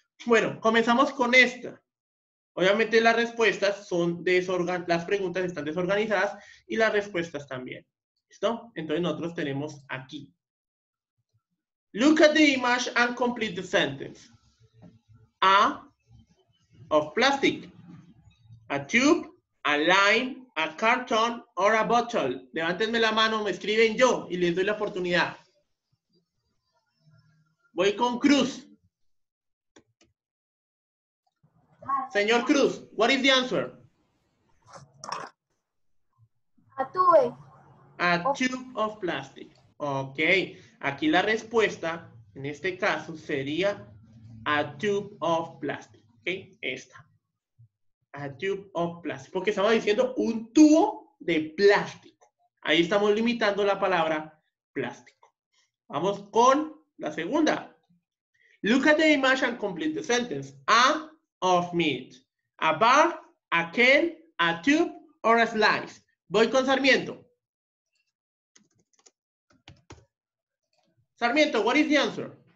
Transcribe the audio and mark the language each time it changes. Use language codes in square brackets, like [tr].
[es] Bueno, comenzamos con esta. Obviamente las respuestas son desorganizadas, las preguntas están desorganizadas y las respuestas también. ¿Listo? Entonces nosotros tenemos aquí. [en] Look at the image and complete the sentence. A, of plastic. A tube, a lime, a carton or a bottle. [es] Levántenme la mano, me escriben yo y les doy la oportunidad. Voy con Cruz. [en] Señor Cruz, what is the answer? A tube. A tube of plastic. Ok. [es] Aquí la respuesta, en este caso, sería [en] a tube of plastic. [es] Ok. Esta. [en] A tube of plastic. [es] Porque estamos diciendo un tubo de plástico. Ahí estamos limitando la palabra plástico. Vamos con la segunda. [en] Look at the image and complete the sentence. A of meat. A bar, a can, a tube, or a slice. [es] Voy con Sarmiento. [en] Sarmiento, what is the answer?